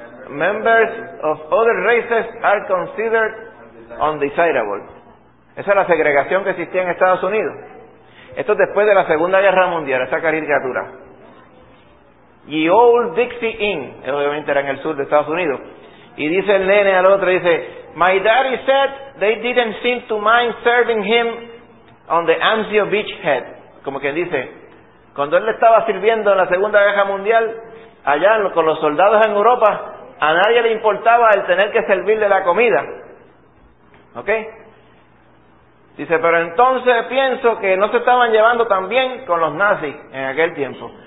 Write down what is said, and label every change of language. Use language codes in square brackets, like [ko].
[en] Members of other races are considered undesirable. [es] Esa es la segregación que existía en Estados Unidos. Esto es después de la Segunda Guerra Mundial, esa caricatura. Y Old Dixie Inn, obviamente era en el sur de Estados Unidos. Y dice el nene al otro, dice, [en] my daddy said they didn't seem to mind serving him on the Anzio Beachhead. [es] Como quien dice, cuando él le estaba sirviendo en la Segunda Guerra Mundial, allá con los soldados en Europa, a nadie le importaba el tener que servirle la comida. ¿Ok? Dice, pero entonces pienso que no se estaban llevando tan bien con los nazis en aquel tiempo.